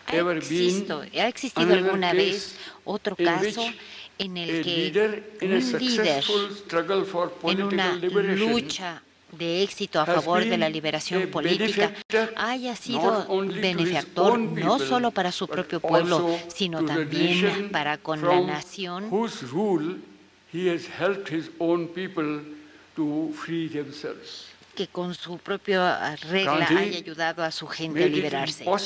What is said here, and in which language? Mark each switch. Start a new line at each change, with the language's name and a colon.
Spanish: ¿Ha existido alguna vez otro caso en el que un líder en una lucha de éxito a favor de la liberación política haya sido benefactor no solo para su propio pueblo, sino también para con la nación?
English: He has helped his own people to free themselves.
Spanish: Que con su propia regla Gandhi haya ayudado a su gente a liberarse.